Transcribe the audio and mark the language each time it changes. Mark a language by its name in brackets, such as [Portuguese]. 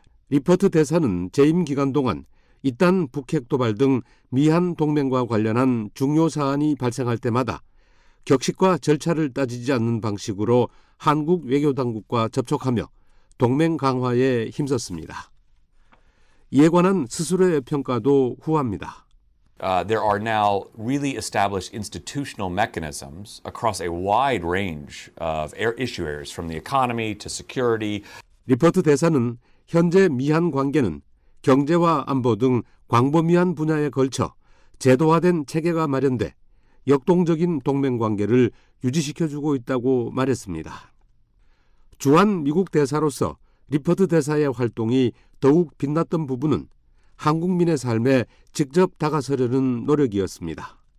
[Korean] 리퍼트 대사는 재임 기간 동안 이딴 북핵 도발 등 미한 동맹과 관련한 중요 사안이 발생할 때마다 격식과 절차를 따지지 않는 방식으로 한국 외교당국과 접촉하며 동맹 강화에 힘썼습니다. 이에 관한 스스로의 평가도 후합니다. [English] There are now really established institutional mechanisms across a wide range of issue areas from the economy to security. [Korean] 리퍼트 대사는 현재 미한 관계는 경제와 안보 등 광범위한 분야에 걸쳐 제도화된 체계가 마련돼 역동적인 동맹관계를 유지시켜주고 있다고 말했습니다. 주한 미국 대사로서 리퍼트 대사의 활동이 더욱 빛났던 부분은 한국민의 삶에 직접 다가서려는 노력이었습니다.